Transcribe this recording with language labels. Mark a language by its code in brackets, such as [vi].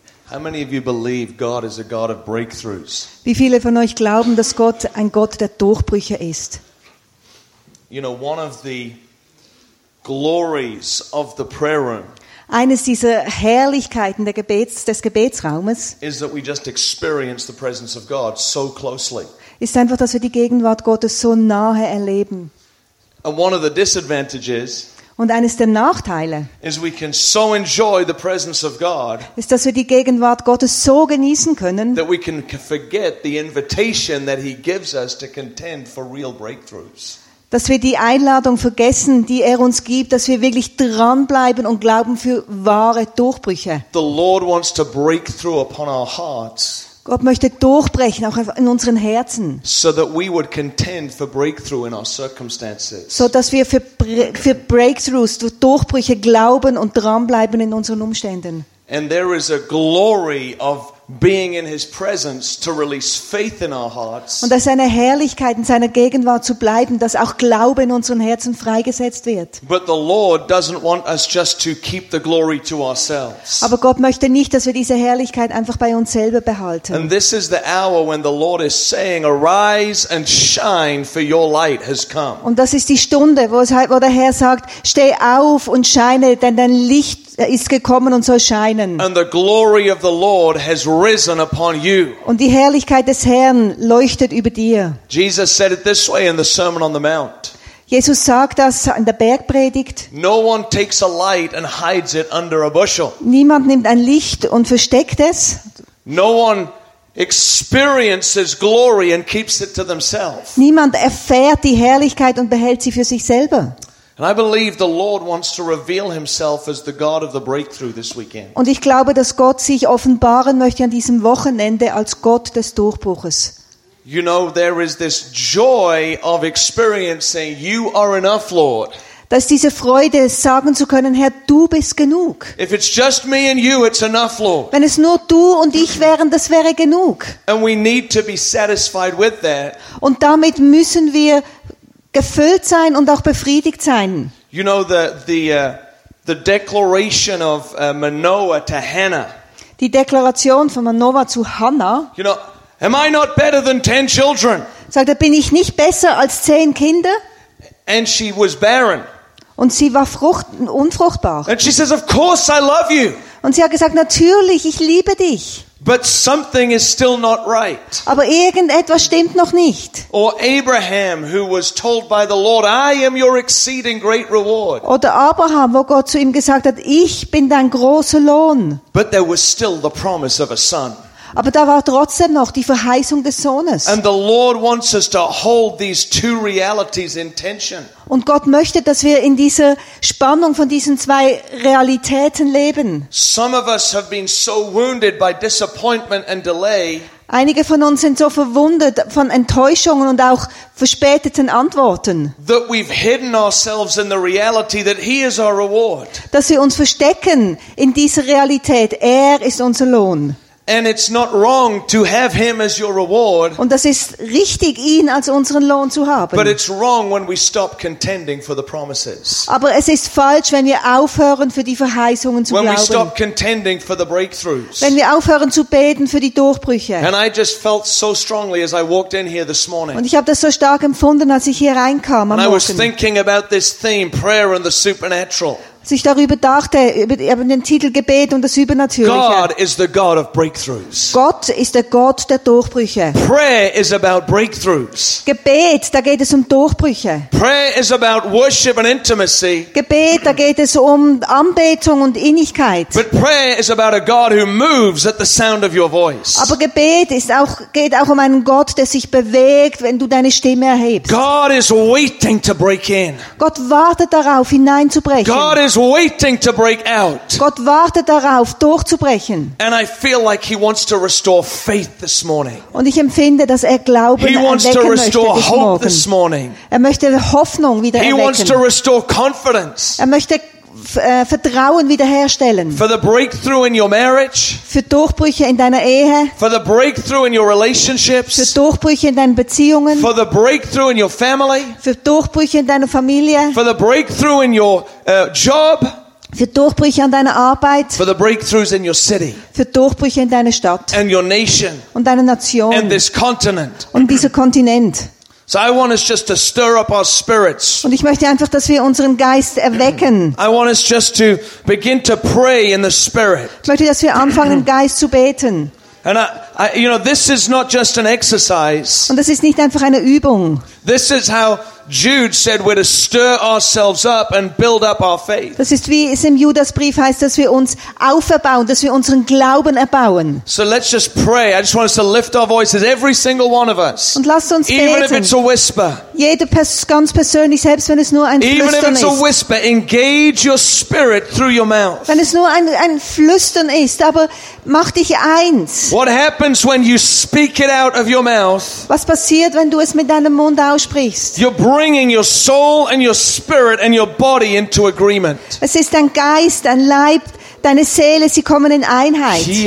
[en] How many of you believe God is a God of breakthroughs? [de] Wie viele von euch glauben, dass Gott ein Gott der Durchbrüche ist? [en] You know, one of the glories of the prayer room. [de] Eines dieser Herrlichkeiten des Gebetsraumes [en] is that we just experience the presence of God so closely. [de] Ist einfach, dass wir die Gegenwart Gottes so nahe erleben. [en] And one of the disadvantages. [de] Und eines der Nachteile [en] is we can so enjoy the presence of God, [de] ist, dass wir die Gegenwart Gottes so genießen können, [en] that we can forget the invitation that he gives us to contend for real breakthroughs. [de] Dass wir die Einladung vergessen, die uns gibt, dass wir wirklich dranbleiben und glauben für wahre Durchbrüche. [en] The Lord wants to break through upon our hearts. [de] Gott möchte durchbrechen, auch in unseren Herzen. [en] So that we would contend for breakthrough in our circumstances. [de] So dass wir für Breakthroughs, für Durchbrüche glauben und dranbleiben in unseren Umständen. [en] And there is a glory of being in his presence to release faith in our hearts. [de] Und es eine Herrlichkeit, in seiner Gegenwart zu bleiben, dass auch Glaube in unseren Herzen freigesetzt wird. [en] But the Lord doesn't want us just to keep the glory to ourselves. [de] Aber Gott möchte nicht, dass wir diese Herrlichkeit einfach bei uns selber behalten. [en] And this is the hour when the Lord is saying, arise and shine, for your light has come. [de] Und das ist die Stunde, wo der Herr sagt, steh auf und scheine, denn dein Licht ist gekommen und soll scheinen. [en] And the glory of the Lord has risen upon you. [de] Und die Herrlichkeit des Herrn leuchtet über dir. [en] Jesus said it this way in the Sermon on the Mount. [de] Jesus sagt das in der Bergpredigt. [en] No one takes a light and hides it under a bushel. [de] Niemand nimmt ein Licht und versteckt es. [en] No one experiences glory and keeps it to themselves. [de] Niemand erfährt die Herrlichkeit und behält sie für sich selber. [en] And I believe the Lord wants to reveal himself as the God of the breakthrough this weekend. [de] Und ich glaube, dass Gott sich offenbaren möchte an diesem Wochenende als Gott des Durchbruches. [en] You know, there is this joy of experiencing, you are enough, Lord. [de] Dass diese Freude sagen zu können, Herr, du bist genug. [en] If it's just me and you, it's enough, Lord. [de] Wenn es nur du und ich wären, das wäre genug. [en] And we need to be satisfied with that. [de] Und damit müssen wir gefüllt sein und auch befriedigt sein. [en] You know, the declaration of Manoah to Hannah. [de] Die Deklaration von Manoah zu Hannah. [en] You know, am I not better than 10 children? [de] Sagt er, bin ich nicht besser als 10 Kinder? [en] And she was barren. [de] Und sie war unfruchtbar. [en] And she says, of course I love you. [de] Und sie hat gesagt, natürlich, ich liebe dich. [en] But something is still not right. [de] Aber irgendetwas stimmt noch nicht. [en] Or Abraham, who was told by the Lord, I am your exceeding great reward. [de] Oder Abraham, wo Gott zu ihm gesagt hat, ich bin dein großer Lohn. [en] But there was still the promise of a son. [de] Aber da war trotzdem noch die Verheißung des Sohnes. [en] And the Lord wants us to hold these two realities in tension. [de] Und Gott möchte, dass wir in dieser Spannung von diesen zwei Realitäten leben. [en] Some of us have been so wounded by disappointment and delay. [de] Einige von uns sind so verwundet von Enttäuschungen und auch verspäteten Antworten. [en] That we've hidden ourselves in the reality that he is our reward. [de] Dass wir uns verstecken in dieser Realität. Er ist unser Lohn. [en] And it's not wrong to have him as your reward. [de] Und das ist richtig, ihn als unseren Lohn zu haben. [en] But it's wrong when we stop contending for the promises. [de] Aber es ist falsch, wenn wir aufhören, für die Verheißungen zu [en] when [de] glauben. [en] We stop contending for the breakthroughs. [de] Wenn wir aufhören zu beten für die Durchbrüche. [en] And I just felt so strongly as I walked in here this morning. [de] Und ich habe das so stark empfunden, als ich hier reinkam am [en] and [de] Morgen. [en] I was thinking about this theme, prayer and the supernatural. [de] Als ich darüber dachte, über den Titel Gebet und das Übernatürliche. [en] God is the God of breakthroughs. [de] Gott ist der Gott der Durchbrüche. [en] Prayer is about breakthroughs. [de] Gebet, da geht es Durchbrüche. [en] Prayer is about worship and intimacy. [de] Gebet, da geht es Anbetung und Innigkeit. [en] But prayer is about a God who moves at the sound of your voice. [de] Aber Gebet geht auch einen Gott, der sich bewegt, wenn du deine Stimme erhebst. [en] God is waiting to break in. [de] Gott wartet darauf, hineinzubrechen. [en] God is waiting to break out. [de] Gott wartet darauf, durchzubrechen. [en] And I feel like he wants to restore faith this morning. [de] Und ich empfinde, dass Glauben erwecken möchte. [en] He wants to restore hope this morning. [de] Möchte Hoffnung wieder erwecken. [en] He wants to restore confidence. [de] Möchte Vertrauen wiederherstellen. [en] For the breakthrough in your marriage. [de] Für Durchbrüche in deiner Ehe. [en] For the breakthrough in your relationships. [de] Für Durchbrüche in deinen Beziehungen. [en] For the breakthrough in your family. [de] Für Durchbrüche in deiner Familie. [en] For the breakthrough in your job. [de] Für Durchbrüche an deiner Arbeit. [en] For the breakthroughs in your city. [de] Für Durchbrüche in deiner Stadt. [en] And your nation. [de] Und deiner Nation. [en] And this continent. [de] Und dieser Kontinent. [en] So I want us just to stir up our spirits. [de] Und ich möchte einfach, dass wir unseren Geist erwecken. [en] I want us just to begin to pray in the spirit. [de] Ich möchte, dass wir anfangen, im Geist zu beten. [en] And you know, this is not just an exercise. [de] Und das ist nicht einfach eine Übung. [en] This is how Jude said we're to stir ourselves up and build up our faith. [de] Das ist, wie es im Judasbrief heißt, dass wir uns auferbauen, dass wir unseren Glauben erbauen. [en] So let's just pray. I just want us to lift our voices, every single one of us. [de] Und lasst uns beten. [en] Even if it's a whisper. [de] Jede ganz persönlich, selbst wenn es nur ein Flüstern ist. [en] Even if it's a whisper, engage your spirit through your mouth. [de] Wenn es nur ein Flüstern ist, aber mach dich eins. [en] What happens when you speak it out of your mouth? [de] Was passiert, wenn du es mit deinem Mund aussprichst? [en] Bringing your soul and your spirit and your body into agreement. [de] Es ist dein Geist, dein Leib, deine Seele, sie kommen in Einheit.